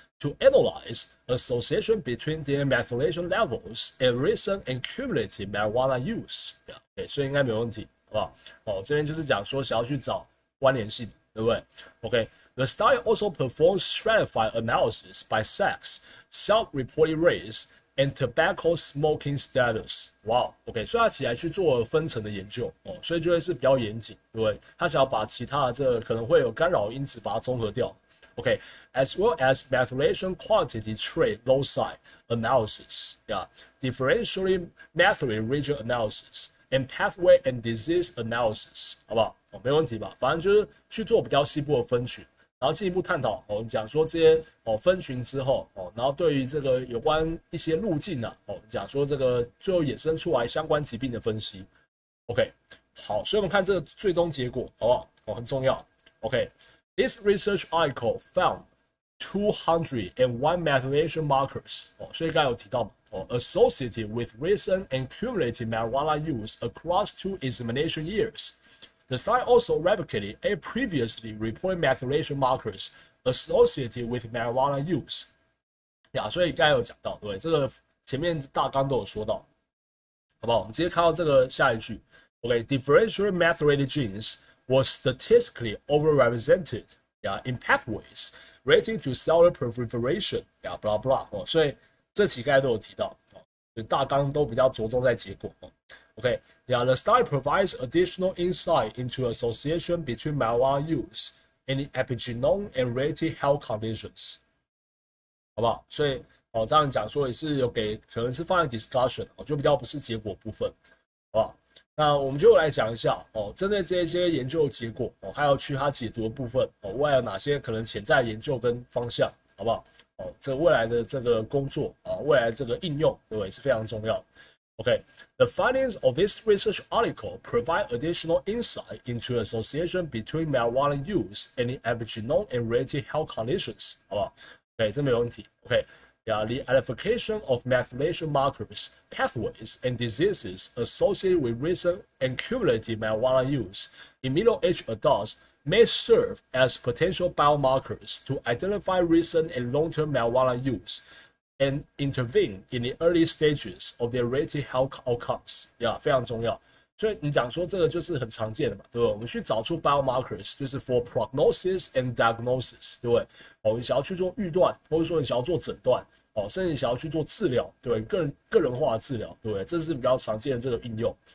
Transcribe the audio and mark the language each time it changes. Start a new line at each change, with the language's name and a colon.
English: to analyze association between their methylation levels and recent and cumulative marijuana use.
Chinese: 对，所以应该没问题，好不好？哦，这边就是讲说想要去找关联性，对不对 ？OK。
English: The study also performs stratified analysis by sex, self-reported race, and tobacco smoking status.
Chinese: Wow, OK, 所以他起来去做分层的研究、哦、所以就会是比较严谨，对不对？他想要把其他的这个可能会有干扰因子把它综合掉。
English: OK, as well as methylation quantity trait loci analysis, yeah, differentially methylated region analysis, and pathway and disease analysis,
Chinese: 好不好、哦？没问题吧？反正就是去做比较细部的分群。然后进一步探讨，我们讲说这些分群之后，然后对于这个有关一些路径呢、啊，讲说这个最后衍生出来相关疾病的分析。 OK， 好，所以我们看这个最终结果，好不好？
English: 很重要。OK， this research article found 201 methylation markers，
Chinese: 所以刚才有提到嘛，
English: associated with recent and cumulative marijuana use across two examination years。 The study also replicated a previously reported methylation markers associated with marijuana use.
Chinese: Yeah, 所以刚才有讲到，对，这个前面大纲都有说到，好不好？我们直接看到这个下一句。
English: Okay, differentially methylated genes were statistically overrepresented. Yeah, in pathways relating to cellular proliferation. Yeah, blah blah.
Chinese: 哦，所以这期刚才都有提到，就大纲都比较着重在结果。
English: Okay, yeah, the study provides additional insight into association between marijuana use and epigenome and related health conditions.
Chinese: 好不好？所以，哦，这样讲说也是有给，可能是放在 discussion， 哦，就比较不是结果部分，好不好？那我们就来讲一下，哦，针对这些研究结果，哦，还有去它解读的部分，哦，未来有哪些可能潜在研究跟方向，好不好？哦，这未来的这个工作，啊，未来这个应用，对不对？是非常重要。
English: Okay, the findings of this research article provide additional insight into association between marijuana use and epigenome and related health conditions.
Chinese: 好不好？Okay, 这没有问题。
English: Okay, yeah, the identification of methylation markers, pathways, and diseases associated with recent and cumulative marijuana use in middle-aged adults may serve as potential biomarkers to identify recent and long-term marijuana use. And intervene in the early stages of their related health outcomes.
Chinese: Yeah, 非常重要。所以你讲说这个就是很常见的嘛，对不对？我们去找出 biomarkers， 就是
English: for prognosis and diagnosis，
Chinese: 对不对？哦，你想要去做预断，或者说你想要做诊断，哦，甚至你想要去做治疗，对不对？个人化的治疗，对不对？这是比较常见的这个应用。